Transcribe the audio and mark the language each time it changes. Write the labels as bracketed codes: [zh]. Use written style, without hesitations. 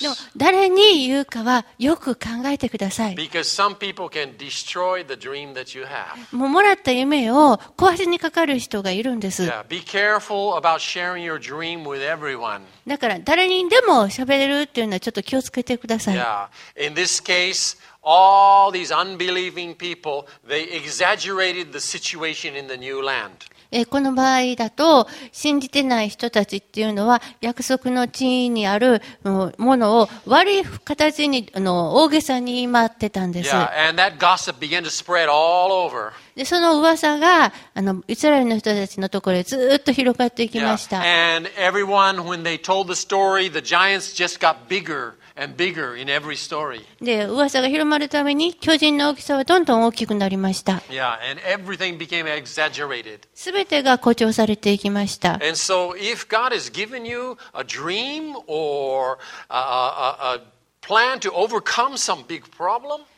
[ja] でも誰に言うかはよく考えてください。 [en] Because some people can destroy the dream that you have. [ja] もうもらった夢を壊しにかかる人がいるんです。 [en] Yeah, be careful about sharing your dream with everyone. [ja] だから誰にでも喋れるっていうのはちょっと気をつけてください。 [en] Yeah. In this case,All these unbelieving people, they exaggerated the situation in the new land. [ja] この場合だと、信じてない人たちっていうのは、約束の地にあるものを悪い形に大げさに言ってたんです。 [en] Yeah, and that gossip began to spread all over. [ja] でその噂がイスラエルの人たちのところへずっと広がっていきました。 [en] Yeah. And everyone, when they told the story, the giants just got bigger and bigger in every story. [ja] で噂が広まるために巨人の大きさはどんどん大きくなりました。 [en] Yeah. And everything became exaggerated. [ja] すべてが誇張されていきました。 [en] And so if God has given you a dream or a plan to overcome some big problem,